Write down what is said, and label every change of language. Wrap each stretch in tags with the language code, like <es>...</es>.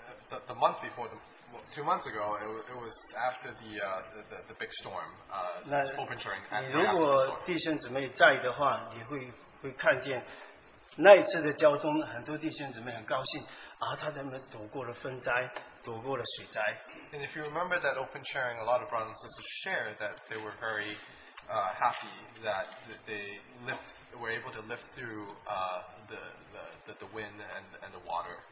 <en>The month before, two months ago, it was after the big storm. Open sharing.</en> <zh>如果弟兄姊妹在的话，你会看见那一次的交通，很多弟兄姊妹很高兴啊，他们躲过了风灾，躲过了水灾。</zh> <en>And if you remember that open sharing, a lot of brothers and sisters share that they were very happy that they were able to lift through the wind and the water.</en>